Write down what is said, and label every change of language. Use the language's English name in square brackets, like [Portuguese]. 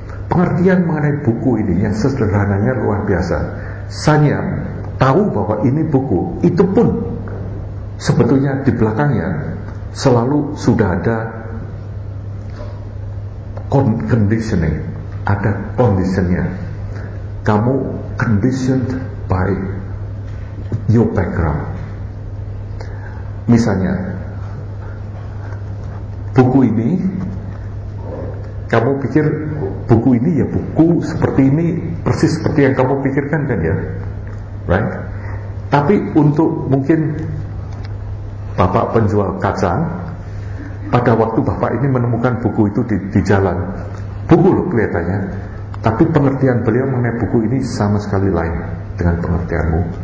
[Indonesian] Pengertian mengenai buku ini yang sederhananya luar biasa. Sanya, tahu bahwa ini buku, itu pun sebetulnya di belakangnya selalu sudah ada conditioning, ada conditionnya. [English] Kamu conditioned by your background. [Indonesian] Misalnya buku ini, kamu pikir buku ini ya buku seperti ini, persis seperti yang kamu pikirkan kan ya, right? Tapi untuk mungkin bapak penjual kacang, pada waktu bapak ini menemukan buku itu di jalan, buku loh kelihatannya, tapi pengertian beliau mengenai buku ini sama sekali lain dengan pengertianmu.